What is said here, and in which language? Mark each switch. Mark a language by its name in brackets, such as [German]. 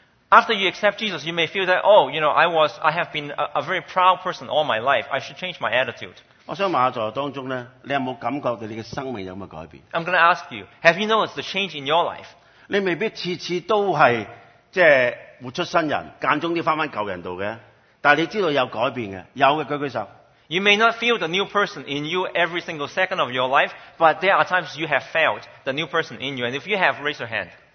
[English] After you accept Jesus, you may feel that, oh, you know, I have been a very proud person all my life. I should change my attitude. [Cantonese] 我想問下在座當中咧，你有冇感覺到你嘅生命有冇改變？ [English] I'm going to ask you, have you noticed the change in your life? [Cantonese] 你未必次次都係即係活出新人，間中都翻翻舊人度嘅，但係你知道有改變嘅，有嘅舉舉手。 [English] You may not feel the new person in you every single second of your life, but there are times you have felt the new person in you. And if you have, raise your hand.